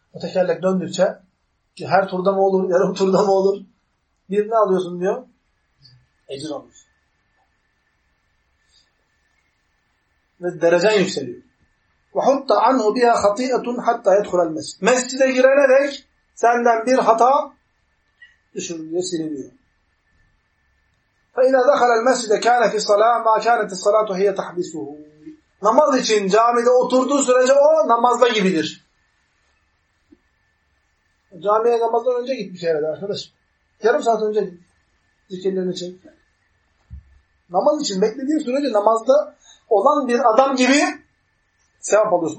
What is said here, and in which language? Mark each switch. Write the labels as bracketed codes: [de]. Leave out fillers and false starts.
[tr] O tekerlek döndükçe ki her turda mı olur, yarım turda mı olur? Birini alıyorsun diyor. Ecir olmuş. Ve derecen yükseliyor. [ar] وَحُطَّ عَنْهُ بِهَا خَط۪يئَةٌ حَتَّى يَدْخُلَ الْمَسْجِدِ. [tr] Mescide girene dek senden bir hata düşürülüyor, siliniyor. [ar] فإذا دخل المسجد كان في الصلاة ما كانت الصلاة هي تحبسه. [tr] Namaz için camide oturduğu sürece o namazda gibidir. Camiye namazdan önce gitmiş herhalde arkadaş. Yarım saat önce zikirlerini çekti. Namaz için beklediğin sürece namazda olan bir adam gibi sevap alıyorsun.